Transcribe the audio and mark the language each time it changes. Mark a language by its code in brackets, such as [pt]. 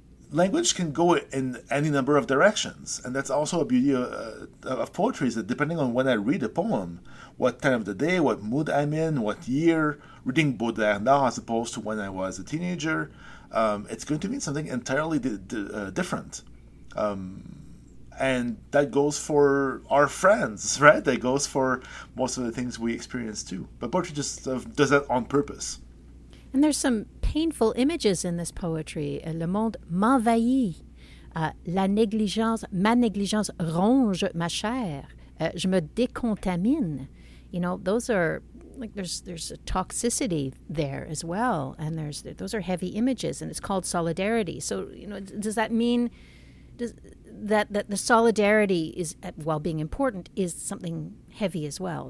[en] Language can go in any number of directions, and that's also a beauty of poetry, is that depending on when I read a poem, what time of the day, what mood I'm in, what year, reading Baudelaire now as opposed to when I was a teenager, it's going to mean something entirely different. And that goes for our friends, right? That goes for most of the things we experience too. But poetry just does that on purpose. And there's some painful images in this poetry. [fr] Le monde m'envahit. La négligence, ma négligence ronge ma chair. Je me décontamine. [en] You know, those are, like, there's a toxicity there as well. And those are heavy images, and it's called solidarity. So, you know, does that mean that the solidarity is, while being important, is something heavy as well?